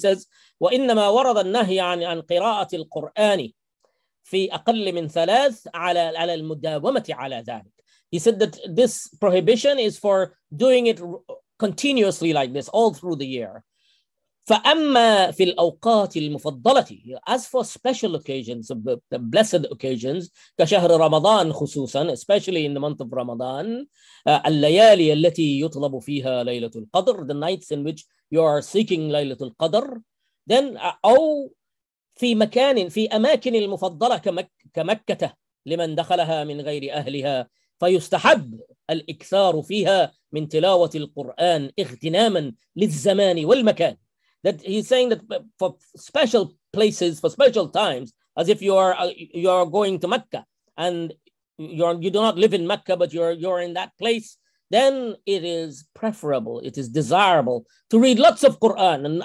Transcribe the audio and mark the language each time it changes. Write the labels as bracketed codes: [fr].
[en] He says, [ar] وَإِنَّمَا وَرَضَ النَّهِيَ عَنْ قِرَاءَةِ الْقُرْآنِ فِي أَقَلِّ مِنْ ثَلَاثْ عَلَى الْمُدَّاوَمَةِ عَلَى ذَلِكَ. [en] He said that this prohibition is for doing it continuously like this all through the year. [ar] فَأَمَّا فِي الْأَوْقَاتِ الْمُفَضَّلَةِ. [en] As for special occasions, the blessed occasions, [ar] كشهر رمضان خصوصا, [en] especially in the month of Ramadan, [ar] الليالي التي يطلب فيها ليلة القدر, [en] the nights in which you are seeking [ar] ليلة القدر, [en] then, [ar] أو في مكان, في أماكن المفضلة كمكة لمن دخلها من غير أهلها, فيستحب الإكثار فيها من تلاوة القرآن اغتناما للزمان والمكان. [en] That he's saying that for special places, for special times, as if you are going to Mecca and you do not live in Mecca, but you're in that place, then it is preferable, it is desirable to read lots of Quran.